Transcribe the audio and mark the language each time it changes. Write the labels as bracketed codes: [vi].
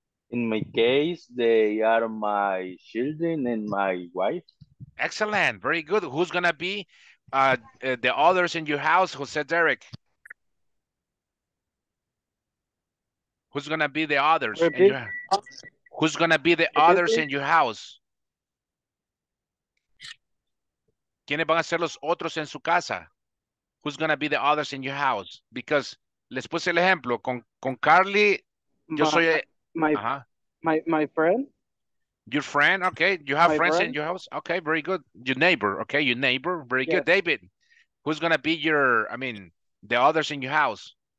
[en] In my case, they are my children and my wife. Excellent. Very good. Who's going to be the others in your house, Jose Derek? Who's going to be the others? Who's going to be the others in your house? [es] ¿Quiénes van a ser los otros en su casa? [en] Who's going to be the others in your house? [es] Because les puse el ejemplo. Con Carly, yo soy... [en] My friend. Your friend, okay. You have friends in your house? Okay, very good. Your neighbor, okay. Your neighbor, very good. David, who's going to be your, I mean, the others in your house?